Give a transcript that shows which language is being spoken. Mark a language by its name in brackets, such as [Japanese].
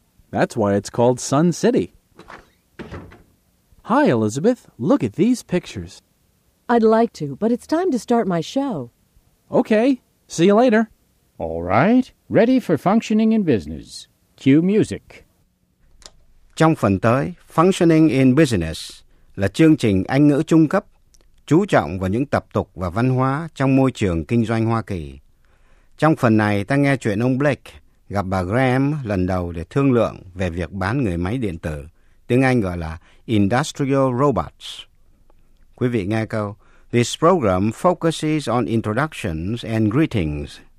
[English] That's why it's called Sun City. Hi, Elizabeth. Look at these pictures. I'd like to, but it's time to start my show. Okay. See you later. All right. Ready for functioning in business. Cue music. [Vietnamese] Trong phần tới, Functioning in Business là chương trình Anh ngữ trung cấp, chú trọng vào những tập tục và văn hóa trong môi trường kinh doanh Hoa Kỳ. Trong phần này, ta nghe chuyện ông Blake gặp bà Graham lần đầu để thương lượng về việc bán người máy điện tử, tiếng Anh gọi là Industrial Robots. Quý vị nghe câu, [English] This program focuses on introductions and greetings.